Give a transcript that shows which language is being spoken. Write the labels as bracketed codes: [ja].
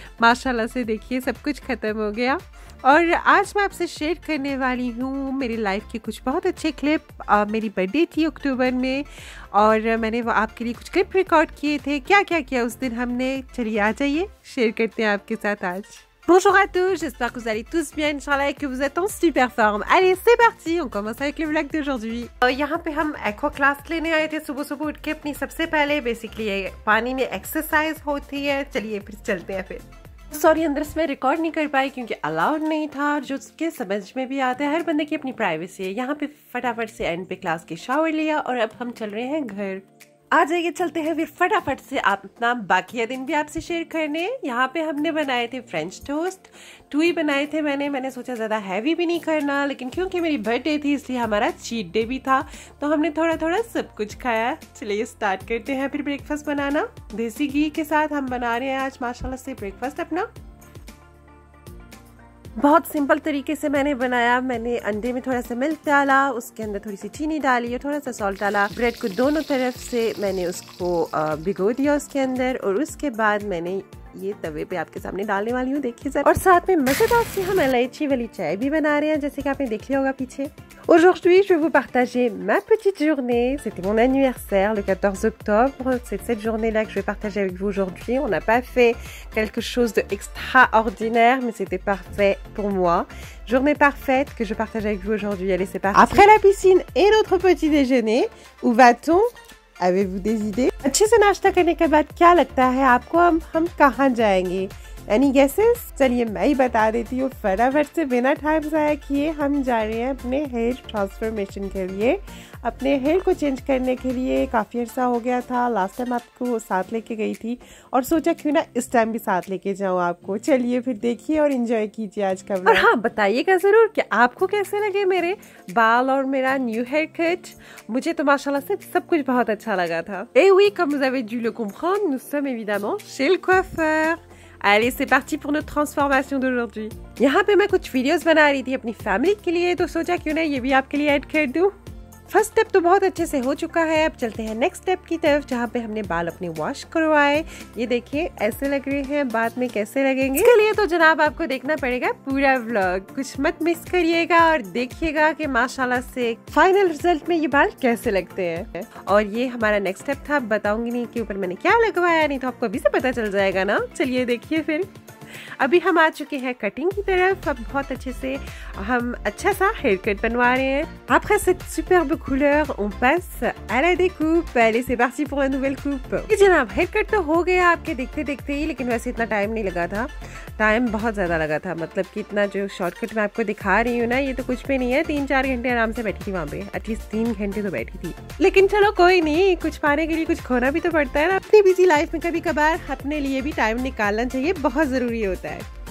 [hi] माशाल्लाह से देखिए सब कुछ ख़त्म हो गया। और आज मैं आपसे शेयर करने वाली हूँ मेरी लाइफ के कुछ बहुत अच्छे क्लिप। मेरी बर्थडे थी अक्टूबर में और मैंने वो आपके लिए कुछ क्लिप रिकॉर्ड किए थे। क्या क्या किया उस दिन हमने, चलिए आ जाइए शेयर करते हैं आपके साथ आज। [fr] Bonjour à tous, j'espère que vous allez tous bien, inchallah, et que vous êtes en super forme. Allez, c'est parti, on commence avec le vlog d'aujourd'hui. [hi] यहाँ पे हम एक्वा क्लास लेने आए थे सुबह सुबह उठ के अपनी। सबसे पहले बेसिकली पानी में एक्सरसाइज होती है। चलिए फिर चलते हैं। फिर सॉरी अंदर से मैं रिकॉर्ड नहीं कर पाई क्योंकि अलाउड नहीं था, जो उसके समझ में भी आता है, हर बंदे की अपनी प्राइवेसी है। यहाँ पे फटाफट से एंड पे क्लास के शावर लिया और अब हम चल रहे हैं घर। आ जाइए चलते हैं फिर फटाफट से अपना बाकी दिन भी आपसे शेयर करने। यहाँ पे हमने बनाए थे फ्रेंच टोस्ट, 2 ही बनाए थे मैंने। मैंने सोचा ज़्यादा हैवी भी नहीं करना, लेकिन क्योंकि मेरी बर्थडे थी इसलिए हमारा चीट डे भी था तो हमने थोड़ा थोड़ा सब कुछ खाया। चलिए स्टार्ट करते हैं फिर ब्रेकफास्ट बनाना। देसी घी के साथ हम बना रहे हैं आज माशाल्लाह से ब्रेकफास्ट अपना। बहुत सिंपल तरीके से मैंने बनाया। मैंने अंडे में थोड़ा सा मिल्क डाला, उसके अंदर थोड़ी सी चीनी डाली और थोड़ा सा सॉल्ट डाला। ब्रेड को दोनों तरफ से मैंने उसको भिगो दिया उसके अंदर और उसके बाद मैंने ये तवे पे आपके सामने डालने वाली हूँ, देखिए सर। और साथ में मजेदार सी हम इलायची वाली चाय भी बना रहे हैं जैसे कि आपने देख लिया होगा पीछे। [fr] Aujourd'hui, je vais vous partager ma petite journée. C'était mon anniversaire le 14 octobre. C'est cette journée-là que je vais partager avec vous aujourd'hui. On n'a pas fait quelque chose d'extraordinaire, mais c'était parfait pour moi. Journée parfaite que je partage avec vous aujourd'hui. Allez, c'est parti. Après la piscine et notre petit déjeuner, où va-t-on? Avez-vous des idées? [hi] अच्छे से नाश्ता करने के बाद क्या लगता है आपको, हम कहाँ जाएंगे? [en] Any guesses? [hi] चलिए मैं ही बता देती हूँ फटाफट से, बिना टाइम जाया किए हम जा रहे हैं अपने हेयर ट्रांसफॉर्मेशन के लिए, अपने हेयर को चेंज करने के लिए। काफ़ी अर्सा हो गया था लास्ट टाइम आपको साथ लेके गई थी और सोचा क्यों ना इस टाइम भी साथ लेके जाऊँ आपको। चलिए फिर देखिए और इन्जॉय कीजिए आज का व्लॉग। हाँ, बताइएगा ज़रूर कि आपको कैसे लगे मेरे बाल और मेरा न्यू हेयर कट। मुझे तो माशाल्लाह से सब कुछ बहुत अच्छा लगा था। [fr] Et oui, comme vous avez dû le comprendre, nous sommes évidemment chez le coiffeur. Allez, c'est parti pour notre transformation d'aujourd'hui. [hi] यहाँ पे मैं कुछ वीडियोस बना रही थी अपनी फैमिली के लिए तो सोचा क्यों ना ये भी आपके लिए ऐड कर दूँ। फर्स्ट स्टेप तो बहुत अच्छे से हो चुका है, अब चलते हैं नेक्स्ट स्टेप की तरफ जहाँ पे हमने बाल अपने वॉश करवाए। ये देखिए ऐसे लग रहे हैं, बाद में कैसे लगेंगे इसके लिए तो जनाब आपको देखना पड़ेगा पूरा व्लॉग। कुछ मत मिस करिएगा और देखिएगा कि माशाल्लाह से फाइनल रिजल्ट में ये बाल कैसे लगते हैं। और ये हमारा नेक्स्ट स्टेप था, बताऊंगी नहीं कि ऊपर मैंने क्या लगवाया, नहीं तो आपको अभी से पता चल जाएगा ना। चलिए देखिए फिर, अभी हम आ चुके हैं कटिंग की तरफ। अब बहुत अच्छे से हम अच्छा सा हेयर कट बनवा रहे हैं। [fr] Après cette superbe couleur, on passe à la découpe. Allez, c'est parti pour la nouvelle coupe. [hi] जनाब हेयर कट तो हो गया आपके देखते देखते ही, लेकिन वैसे इतना टाइम नहीं लगा था। टाइम बहुत ज्यादा लगा था, मतलब कि इतना जो शॉर्टकट मैं आपको दिखा रही हूँ ना, ये तो कुछ भी नहीं है। 3-4 घंटे आराम से बैठी थी वहाँ पे, एटलीस्ट 3 घंटे तो बैठी थी। लेकिन चलो कोई नहीं, कुछ पाने के लिए कुछ खोना भी तो पड़ता है ना। अपनी बिजी लाइफ में कभी कभार अपने लिए भी टाइम निकालना चाहिए, बहुत जरूरी होता है।